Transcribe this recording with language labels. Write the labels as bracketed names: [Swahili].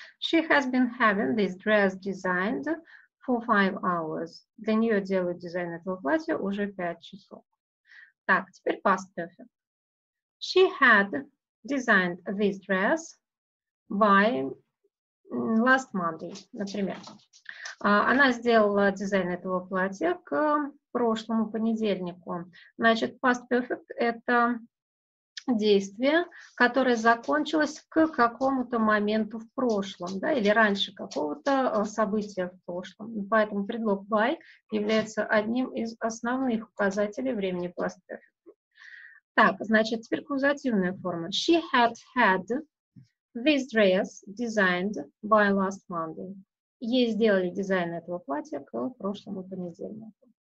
[English] She has been having this dress designed for 5 hours. [Russian] Для нее делают дизайн этого платья уже 5 часов. Так, теперь past perfect. [English] She had designed this dress by last Monday, [Russian] например. Она сделала дизайн этого платья к прошлому понедельнику. Значит, past perfect – это действие, которое закончилось к какому-то моменту в прошлом, да, или раньше какого-то события в прошлом. Поэтому предлог by является одним из основных указателей времени past perfect. Так, значит, теперь каузативная форма. [English] She had had this dress designed by last Monday. [Russian] Ей сделали дизайн этого платья к прошлому понедельнику.